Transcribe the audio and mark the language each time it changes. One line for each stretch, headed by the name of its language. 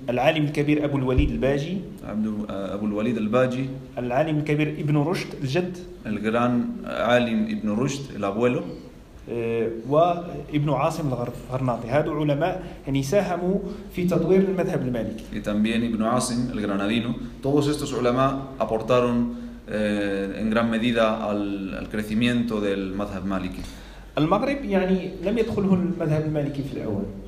Arabic: العالم الكبير أبو الوليد الباجي, أبو الوليد الباجي, العالم الكبير ابن رشد الجد,
Spanish: el gran عالم ابن رشد, el abuelo.
Arabic: وابن عاصم الغرناطي هادو علماء يعني ساهموا في تطوير المذهب المالكي.
Spanish: Y también ابن عاصم el granadino. Todos estos علماء aportaron en gran medida al crecimiento del مذهب المالكي.
Arabic: المغرب يعني لم يدخله المذهب المالكي في الأول.